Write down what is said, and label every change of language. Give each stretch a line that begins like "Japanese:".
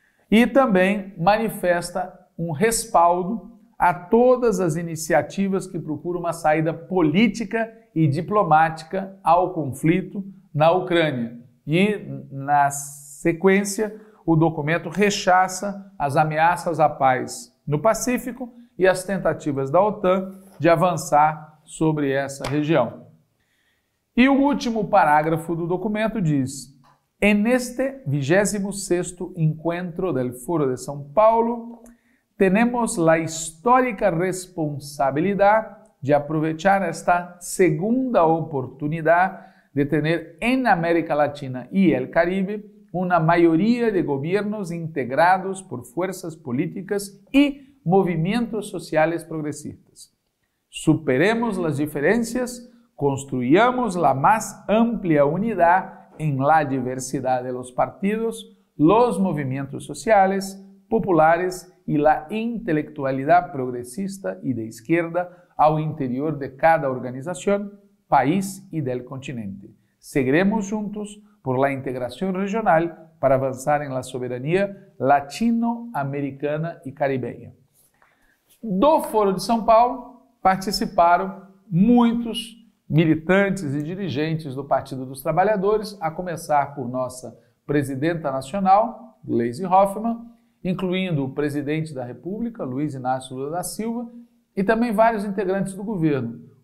Portuguese: E também manifesta um respaldo a todas as iniciativas que procuram uma saída política e diplomática ao conflito na Ucrânia. E, na sequência, o documento rechaça as ameaças à paz no Pacífico e as tentativas da OTAN de avançar sobre essa região. E o último parágrafo do documento diz:
Spanish: En este 26º encuentro del Foro de São Paulo, tenemos la histórica responsabilidad de aprovechar esta segunda oportunidad de tener en América Latina y el Caribe una mayoría de gobiernos integrados por fuerzas políticas y movimientos sociales progresistas. Superemos las diferencias, construyamos la más amplia unidad en la diversidad de los partidos, los movimientos sociales, populares y la intelectualidad progresista y de izquierda al interior de cada organización, país y del continente. Seguiremos juntos por la integración regional
Portuguese: para avançar em la soberania latino-americana e caribenha. Do Foro de São Paulo participaram muitos militantes e dirigentes do Partido dos Trabalhadores, a começar por nossa presidenta nacional, Gleisi Hoffmann, incluindo o presidente da República, Luiz Inácio Lula da Silva, e também vários integrantes do governo.